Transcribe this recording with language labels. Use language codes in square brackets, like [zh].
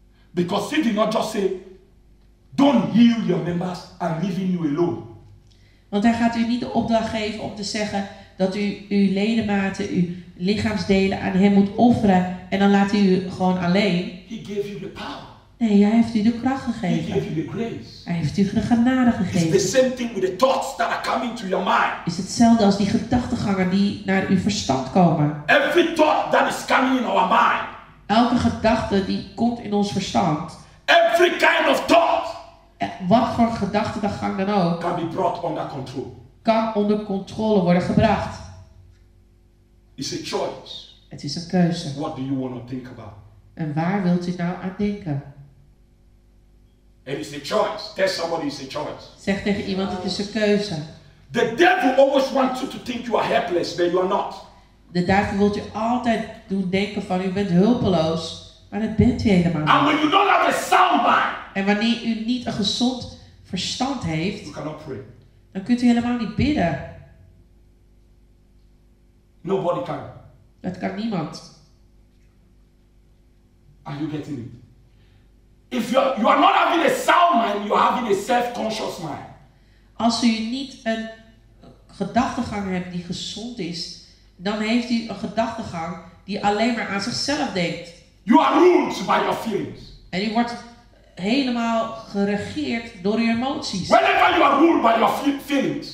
[en] Because he did not just say, don't heal your members, I'm leaving you alone. [nl] Want hij gaat u niet de opdracht geven om te zeggen dat u uw ledematen, uw lichaamsdelen aan hem moet offeren en dan laat hij u gewoon alleen. [en] He gave you the power. [nl] Nee, hij heeft u de kracht gegeven. [en] He gave you the grace. [nl] Hij heeft u de genade gegeven. [en] It's the same thing with the thoughts that are coming to your mind. [nl] Is hetzelfde als die gedachtegangen die naar uw verstand komen. [en] Every thought that is coming in our mind. [nl] Elke gedachte die komt in ons verstand. [en] Every kind of thought. [nl] Wat voor gedachtegang dan ook. [en] Can be brought under control. [nl] Kan onder controle worden gebracht. [en] It's a choice. [nl] Het is een keuze. [en] What do you want to think about? [nl] En waar wilt u nou aan denken? [en] It is a choice. Tell somebody it's a choice. [nl] Zeg tegen iemand het is een keuze. [en] The devil always wants you to think you are helpless, but you are not. [nl] De duivel wilt u altijd doen denken van u bent hulpeloos, maar dat bent u helemaal niet. [en] And when you don't have a sound mind, [nl] en wanneer u niet een gezond verstand heeft, [en] you cannot pray. [nl] Dan kunt u helemaal niet bidden. [en] Nobody can. [nl] Dat kan niemand. [en] Are you getting it? If you are not having a sound mind, you are having a self-conscious mind. [nl] Als u niet een gedachtegang hebt die gezond is, dan heeft u een gedachtegang die alleen maar aan zichzelf denkt. [en] You are ruled by your feelings. [nl] En u wordt helemaal geregeerd door uw emoties. [en] Whenever you are ruled by your feelings.